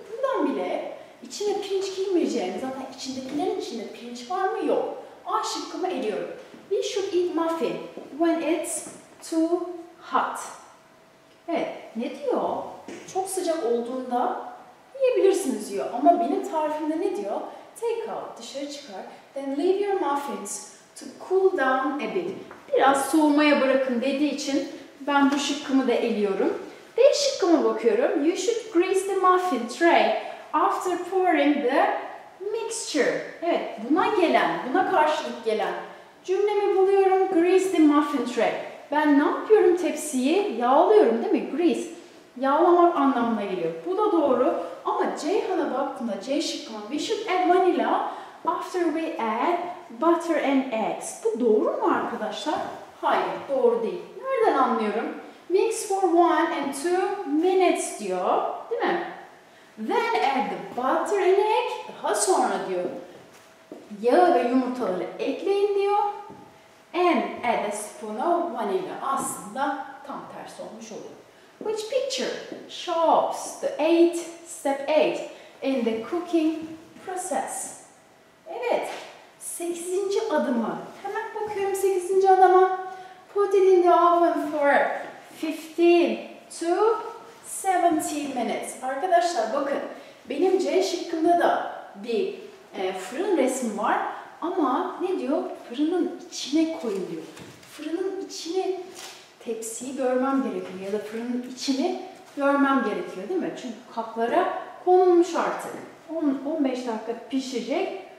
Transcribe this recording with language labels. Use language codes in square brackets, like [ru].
[tr] Buradan bile içine pirinç girmeyeceğini, zaten içindekilerin içinde pirinç var mı? Yok. A şıkkımı eliyorum. [en] We should eat muffin when it's too hot. [tr] Evet, ne diyor? Çok sıcak olduğunda yiyebilirsiniz diyor. Ama benim tarifimde ne diyor? [en] Take out, [tr] dışarı çıkar. [en] Then leave your muffins to cool down a bit. [tr] Biraz soğumaya bırakın dediği için ben bu şıkkımı da eliyorum. D şıkkıma bakıyorum. [en] You should grease the muffin tray after pouring the mixture. [tr] Evet, buna gelen, buna karşılık gelen cümlemi buluyorum. [en] Grease the muffin tray. [tr] Ben ne yapıyorum tepsiyi? Yağlıyorum değil mi? Grease. Yağlamak anlamına geliyor. Bu da doğru. Ama Ceyhan'a baktığında, C şıkkıma, [en] we should add vanilla after we add butter and eggs. [tr] Bu doğru mu arkadaşlar? Hayır, doğru değil. Nereden anlıyorum? [en] Mix for 1 and 2 minutes [tr] diyor. Değil mi? [en] Then add the butter and egg. [tr] Daha sonra diyor. Yağı ve yumurtaları ekleyin diyor. [en] And add a spoon of vanilla. [tr] Aslında tam tersi olmuş oluyor. [en] Which picture shows the step 8 in the cooking process? [tr] Evet. 8. adımı. Hemen bakıyorum 8. adıma. [en] Put it in the oven for 15 to 17 minutes. [tr] Arkadaşlar bakın, benim C şıkkımda da bir fırın resmi var ama ne diyor? Fırının içine koyun diyor. Fırının içine tepsiyi görmem gerekiyor ya da fırının içini görmem gerekiyor değil mi? Çünkü kaplara konulmuş artık. 10-15 dakika pişecek.